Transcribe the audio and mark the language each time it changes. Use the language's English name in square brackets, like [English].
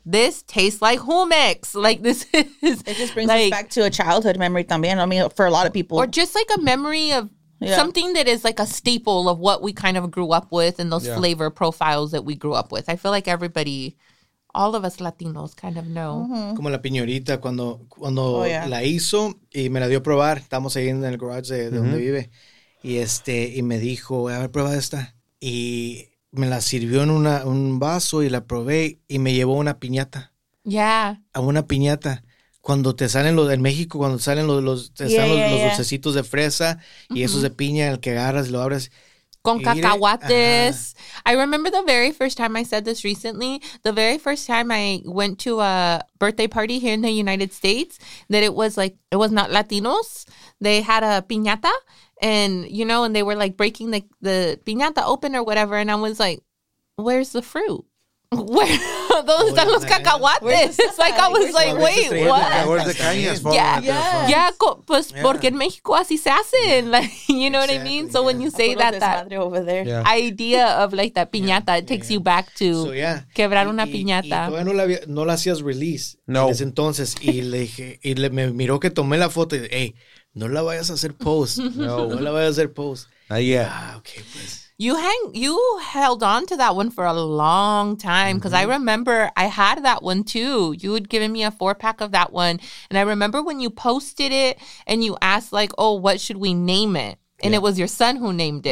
[English] This tastes like Humex. Like this is. It just brings like, us back to a childhood memory también. I mean, for a lot of people. Or just like a memory of. Yeah. Something that is like a staple of what we kind of grew up with and those flavor profiles that we grew up with. I feel like everybody, all of us Latinos kind of know. Mm-hmm. [Spanish] Como la piñorita cuando la hizo y me la dio a probar. Estamos ahí en el garage de mm-hmm. donde vive. Y me dijo, a ver, prueba esta. Y me la sirvió en un vaso y la probé y me llevó una piñata. [English] Yeah. [Spanish] A una piñata. Cuando te salen los en México, cuando salen los dulcecitos de fresa y esos de piña, el que agarras y lo abres, Con cacahuates. [English] I remember the very first time I said this recently, the very first time I went to a birthday party here in the United States, that it was like, it was not Latinos. They had a piñata and, you know, and they were like breaking the piñata open or whatever. And I was like, where's the fruit? Where those [Spanish] están los cacahuates? [English] Like, I was like, wait, what? [Spanish] Pues porque en México así se hacen, [English] like, you know what I mean? So when you say that over there, idea of like that piñata, it takes you back to [Spanish] quebrar una piñata. Y no la hacías release. No. En ese entonces, y le dije, y le me miró que tomé la foto y dije, hey, no la vayas a hacer post. No la vayas a hacer post. Okay, pues. [English] You held on to that one for a long time, because I remember I had that one too. You had given me a 4-pack of that one. And I remember when you posted it and you asked, like, oh, what should we name it? And it was your son who named it.